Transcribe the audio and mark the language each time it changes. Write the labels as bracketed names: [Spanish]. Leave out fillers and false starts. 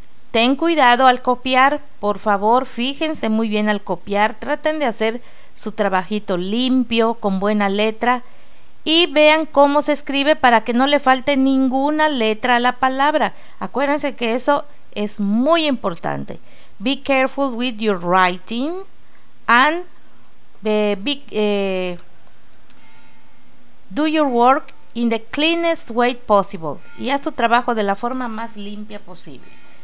[Spanish] Ten cuidado al copiar, por favor, fíjense muy bien al copiar, traten de hacer su trabajito limpio, con buena letra, y vean cómo se escribe para que no le falte ninguna letra a la palabra. Acuérdense que eso es muy importante. [English] Be careful with your writing and do your work in the cleanest way possible. [Spanish] Y haz tu trabajo de la forma más limpia posible.